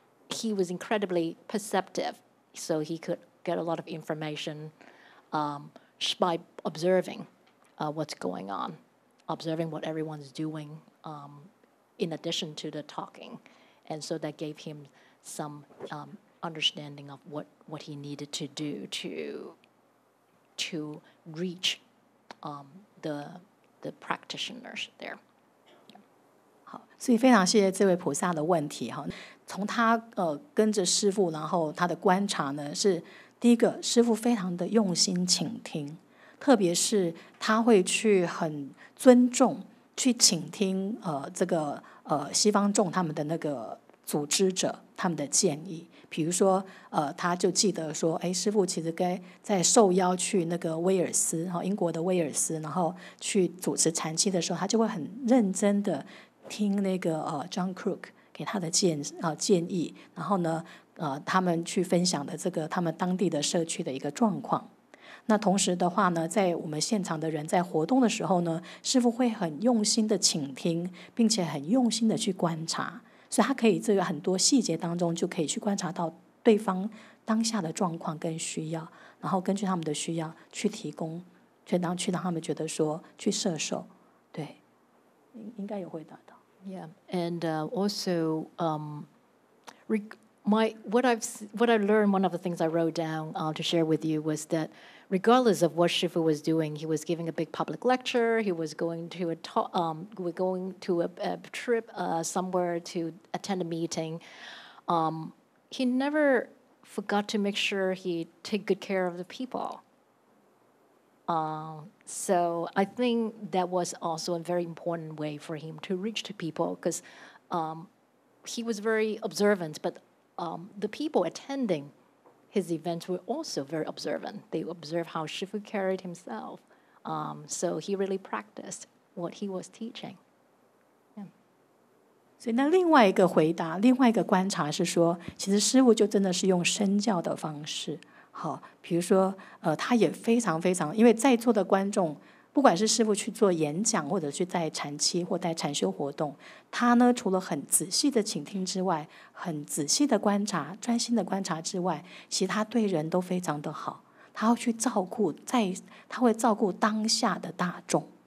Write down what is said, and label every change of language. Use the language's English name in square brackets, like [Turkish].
[English] he was incredibly perceptive, so he could get a lot of information by observing what's going on, observing what everyone's doing in addition to the talking. And so that gave him some understanding of what he needed to do to reach the practitioners there. [Chinese] 好，所以非常谢谢这位菩萨的问题哈。从他跟着师父，然后他的观察呢，是第一个，师父非常的用心倾听，特别是他会去很尊重去倾听这个西方众他们的那个组织者他们的建议。比如说他就记得说，哎，师父其实该在受邀去那个威尔斯，英国的威尔斯，然后去主持禅期的时候，他就会很认真的听那个John Crook 给他的建议，然后呢他们去分享的这个他们当地的社区的一个状况。那同时的话呢，在我们现场的人在活动的时候呢，师父会很用心的倾听，并且很用心的去观察，所以他可以在很多细节当中就可以去观察到对方当下的状况跟需要，然后根据他们的需要去提供，去让他们觉得说去摄受。对，应该有回答到。 [English] Yeah, and also, what I learned, one of the things I wrote down to share with you was that regardless of what Shifu was doing, he was giving a big public lecture, he was going to a talk, going to a trip somewhere to attend a meeting. He never forgot to make sure he take good care of the people. So I think that was also a very important way for him to reach to people, because he was very observant, but the people attending his events were also very observant. They observed how Shifu carried himself. So he really practiced what he was teaching. Yeah. [Chinese] 所以那另外一个回答，另外一个观察是说，其实师父就真的是用身教的方式。好，比如说他也非常非常，因为在座的观众，不管是师父去做演讲，或者去在禅期或在禅修活动，他呢除了很仔细的倾听之外，很仔细的观察，专心的观察之外，其他对人都非常的好，他会去照顾，在他会照顾当下的大众。